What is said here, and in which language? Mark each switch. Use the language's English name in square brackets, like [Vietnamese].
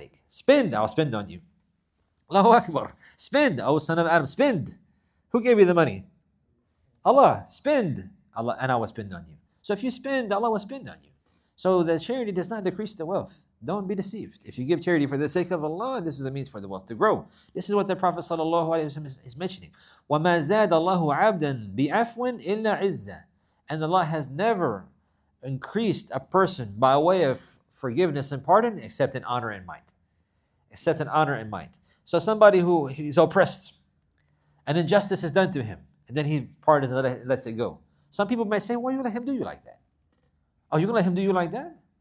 [English] Spend, I'll spend on you. Allahu Akbar. Spend, O son of Adam, spend. Who gave you the money? Allah, spend. Allah, and I will spend on you. So if you spend, Allah will spend on you. So the charity does not decrease the wealth. Don't be deceived. If you give charity for the sake of Allah, this is a means for the wealth to grow. This is what the Prophet sallallahu alayhi wa sallam is mentioning. [Arabic] وَمَا زَادَ اللَّهُ عَبْدًا بِعَفْوٍ إِلَّا عِزَّةٍ [English] And Allah has never increased a person by way of forgiveness and pardon except in honor and might. Except in honor and might. So somebody who is oppressed, an injustice is done to him, and then he pardons and lets it go. Some people might say, why you let him do you like that? Oh, you gonna let him do you like that?